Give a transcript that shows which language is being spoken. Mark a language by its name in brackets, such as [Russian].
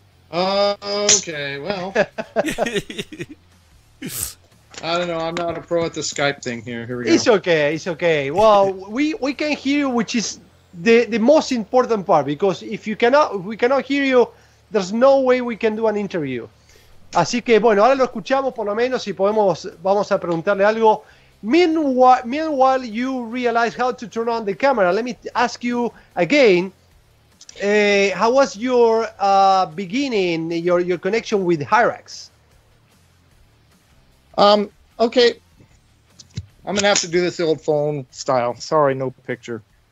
[English] Okay, well. I don't know, I'm not a pro at the Skype thing here. Here we go. It's okay. Well, we can hear you, which is the most important part, because if we cannot hear you, there's no way we can do an interview. [Spanish] Así que bueno, ahora lo escuchamos por lo menos y podemos, vamos a preguntarle algo. [English] Meanwhile you realize how to turn on the camera, let me ask you again, how was your beginning, your connection with Hyrax? Okay, I'm gonna have to do this the old phone style, sorry, no picture.